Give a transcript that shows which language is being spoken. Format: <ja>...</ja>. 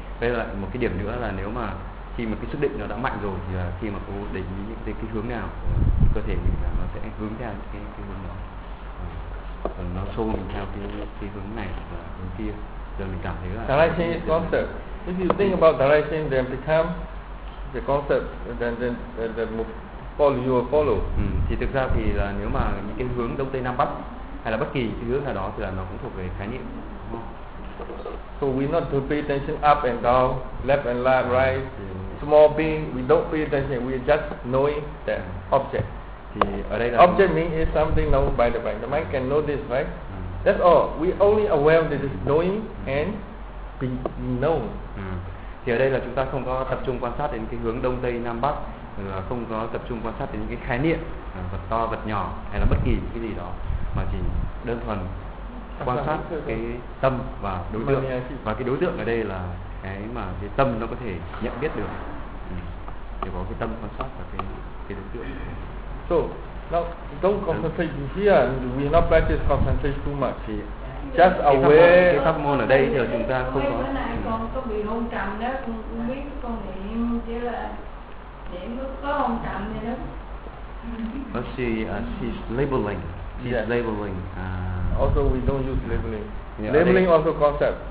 <vi>Với lại một cái điểm nữa là nếu mà khi mà cái sức định nó đã mạnh rồi, thì là khi mà cô để ý những cái hướng nào thì cơ thể mình nó sẽ hướng theo cái hướng đó, còn nó xô mình theo cái hướng này và hướng kia. Giờ mình cảm thấy là</vi> <en>direction is concept. If you think about direction, then become the concept, then follow, you will follow.</en> <vi>Thì thực ra thì là nếu mà những cái hướng đông tây nam bắc hay là bất kỳ cái hướng nào đó thì là nó cũng thuộc về khái niệm.</vi> <en>So we not to pay attention up and down, left and right, right. Small being, we don't pay attention. We just knowing the object.</en> <vi>Thì ở đây là</vi> <en>object means is something known by the mind. The mind can know this, right? That's all. We only aware that is knowing and being known.</en> <vi>Thì ở đây là chúng ta không có tập trung quan sát đến cái hướng đông tây nam bắc, không có tập trung quan sát đến những cái khái niệm vật to vật nhỏ hay là bất kỳ cái gì đó, mà chỉ đơn thuần quan sát cái tâm và đối tượng. Và cái đối tượng ở đây là cái mà cái tâm nó có thể nhận biết được, để có cái tâm quan sát và cái đối tượng.</vi> <en>So now don't concentrate here, we not practice concentration too much here. Just aware.</en> <vi>Cái pháp môn ở đây thì chúng ta không có. Cái này con có bị hôn trầm đó, con biết con niệm chỉ là niệm có hôn trầm gì đó.</vi> <en>But she's labeling. She's labeling. Also we don't use labeling. Labeling also concept.</en>